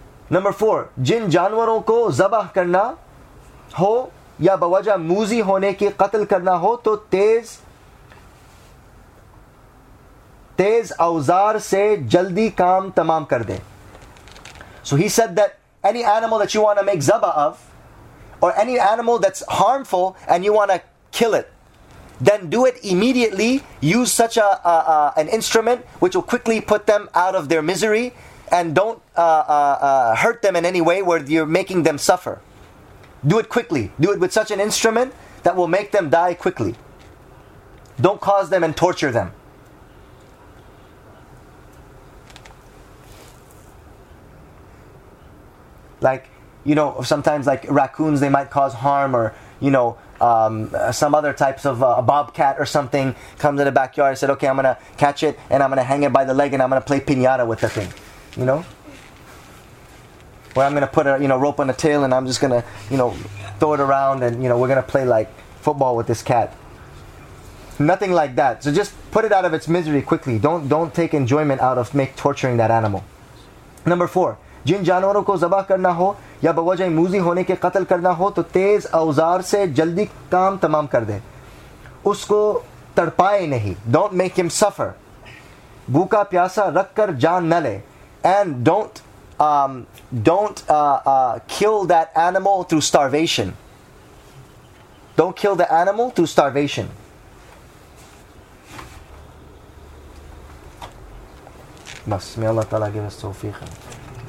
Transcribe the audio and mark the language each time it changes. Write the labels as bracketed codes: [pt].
[en] Number four, [ur] جن جانوروں کو ذبح کرنا ہو یا بوجہ موزی ہونے کے قتل کرنا ہو تو تیز اوزار سے جلدی کام تمام کر دیں. [en] So he said that any animal that you want to make zaba of, or any animal that's harmful and you want to kill it, then do it immediately. Use such an instrument which will quickly put them out of their misery, and don't hurt them in any way where you're making them suffer. Do it quickly. Do it with such an instrument that will make them die quickly. Don't cause them and torture them. Like, you know, sometimes like raccoons, they might cause harm, or, you know, some other types of a bobcat or something comes in the backyard and said, okay, I'm going to catch it and I'm going to hang it by the leg and I'm going to play piñata with the thing, you know? Or I'm going to put a, you know, rope on the tail and I'm just going to, you know, throw it around and, you know, we're going to play like football with this cat. Nothing like that. So just put it out of its misery quickly. Don't take enjoyment out of torturing that animal. Number four. [ur] جن جانوروں کو ذبح کرنا ہو یا بوجہ موزی ہونے کے قتل کرنا ہو تو تیز اوزار سے جلدی کام تمام کر دیں. اس کو تڑپائے نہیں. [en] Don't make him suffer. [ur] بھوکا پیاسا رکھ کر جان نہ لے. [en] And don't kill that animal through starvation. Don't kill the animal through starvation. بس, may Allah تعالیٰ give us توفیق.